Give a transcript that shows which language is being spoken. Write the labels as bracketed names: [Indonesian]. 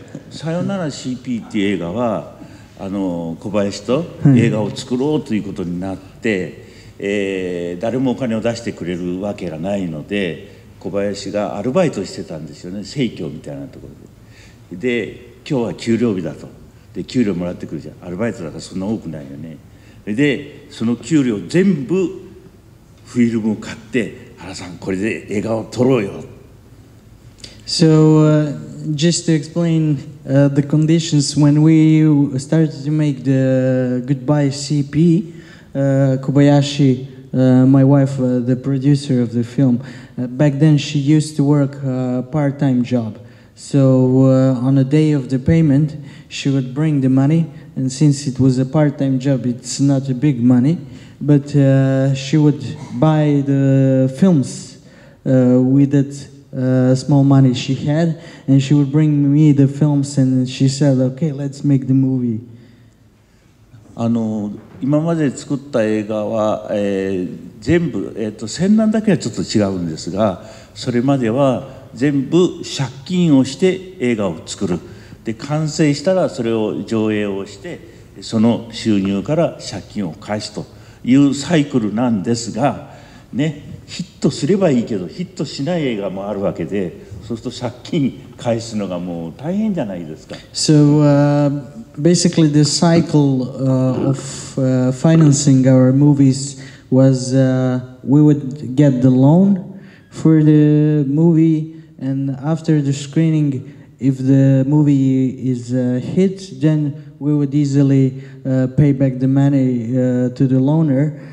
[Japanese] さよなら CP っていう映画は小林と映画を作ろうということになって、はい、誰もお金を出してくれるわけがないので小林がアルバイトしてたんですよね、生協みたいなところで。で、今日は給料日だと。で、給料もらってくるじゃん。アルバイトだからそんな多くないよね。で、その給料全部フィルムを買って、原さんこれで映画を撮ろうよ。 [English] So, just to explain the conditions, when we started to make the Goodbye CP, Kobayashi, my wife, the producer of the film, back then she used to work a part-time job. So, on the day of the payment, she would bring the money, and since it was a part-time job, it's not a big money, but she would buy the films with itsmall money she had, and she would bring me the films and she said, okay, let's make the movie. [Japanese] 今まで作った映画は、全部、戦乱だけはちょっと違うんですが、それまでは全部借金をして映画を作る。で、完成したらそれを上映をして、その収入から借金を返すというサイクルなんですが、ね、ヒットすればいいけどヒットしない映画もあるわけで、そうすると借金返すのがもう大変じゃないですか。 [English] So basically the cycle of financing our movies was we would get the loan for the movie, and after the screening if the movie is a hit then we would easily pay back the money to the loaner.